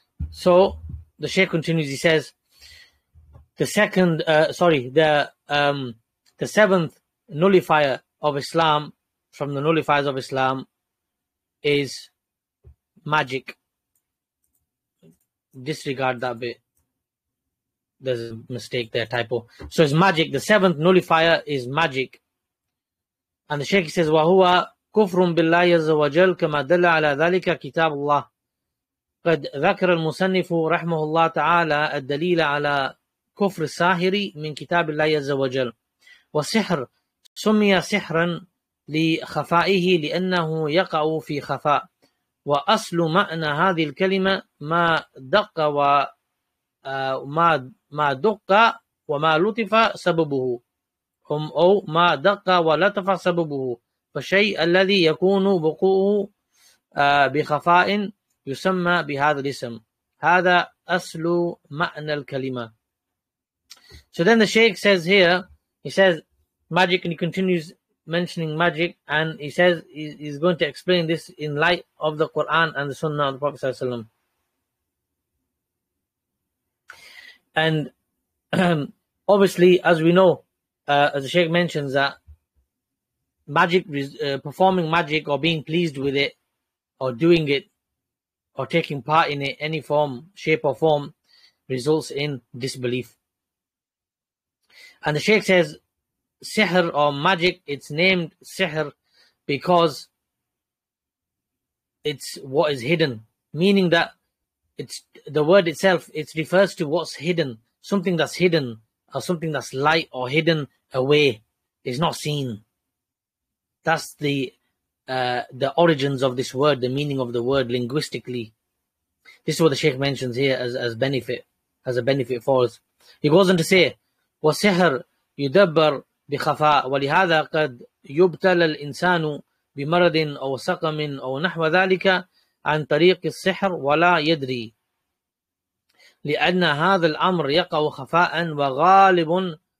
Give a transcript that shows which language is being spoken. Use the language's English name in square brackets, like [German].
[English] So the Shaykh continues, he says, the seventh nullifier of Islam, from the nullifiers of Islam, is magic. Disregard that bit. There's a mistake there, typo. So it's magic. The seventh nullifier is magic. And the Shaykh says, [Arabic] وَهُوَ كُفْرٌ بِاللَّهِ عَزَّ وَجَلْ كَمَا دَلَّ عَلَى ذَلِكَ كِتَابُ اللَّهِ قَدْ ذَكَرَ الْمُسَنِّفُ رَحْمَهُ اللَّهُ تَعَالَى الدَّلِيلَ عَلَى كُفْرِ السَّاهِرِ مِنْ كِتَابِ اللَّهِ عَزَّ وَجَلْ وَالسِّحْرُ سُمِّيَ سِحْرًا لِخَفَائِهِ لِأَنَّهُ يَقَعُ فِي خَفَاءٍ وأصل معنى هذه الكلمة ما دق وما دق وما لطف سببه أو ما دق ولطف سببه فشيء الذي يكون بقوه بخفاء يسمى بهذا الاسم هذا أصل معنى الكلمة. [English] So then the Shaykh says here, he says magic, and he continues mentioning magic, and he says he's going to explain this in light of the Quran and the Sunnah of the Prophet sallallahu alaihi wasallam. And obviously, as we know, as the Shaykh mentions, that magic, performing magic or being pleased with it or doing it or taking part in it, any form, shape or form, results in disbelief. And the Shaykh says sihr or magic, it's named sihr because it's what is hidden, meaning that it's the word itself, it refers to what's hidden, something that's hidden or something that's light or hidden away, is not seen. That's the origins of this word, the meaning of the word linguistically. This is what the Shaykh mentions here as a benefit for us. He goes on to say, [Arabic] wa sihr yudabbar بخفاء ولهذا قد يبتلى الإنسان بمرض أو سقم أو نحو ذلك عن طريق السحر ولا يدري لأن هذا الأمر يقع خفاء وغالب